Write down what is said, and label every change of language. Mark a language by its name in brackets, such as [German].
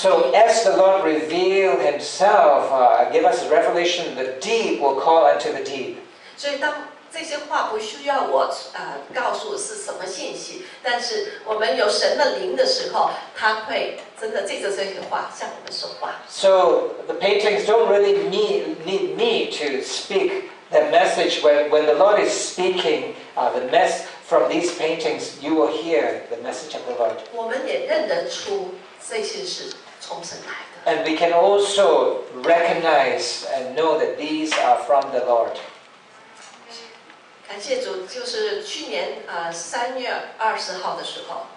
[English] So as the Lord reveal Himself, give us revelation, the deep will call unto the deep. [Chinese] 所以当这些话不需要我告诉是什么信息，但是我们有神的灵的时候，他会真的借着这些话向我们说话。 [English] So the paintings don't really need me to speak the message. When the Lord is speaking, the message from these paintings, you will hear the message of the Lord. [Chinese] 我们也认得出这些是从神来的。 [English] And we can also recognize and know that these are from the Lord. [Chinese] 感谢主，就是去年3月20号的时候。